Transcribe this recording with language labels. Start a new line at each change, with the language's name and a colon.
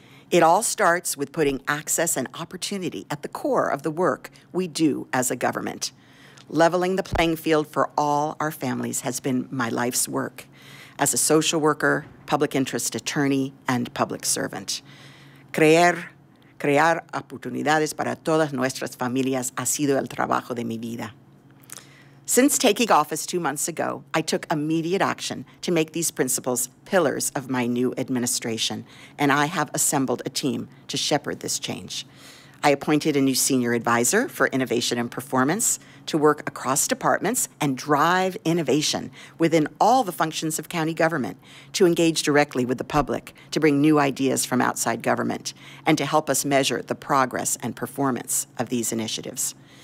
English: It all starts with putting access and opportunity at the core of the work we do as a government. Leveling the playing field for all our families has been my life's work as a social worker, public interest attorney, and public servant.
Spanish: Crear oportunidades para todas nuestras familias ha sido el trabajo de mi vida.
English: Since taking office 2 months ago, I took immediate action to make these principles pillars of my new administration, and I have assembled a team to shepherd this change. I appointed a new senior advisor for innovation and performance to work across departments and drive innovation within all the functions of county government, to engage directly with the public, to bring new ideas from outside government, and to help us measure the progress and performance of these initiatives.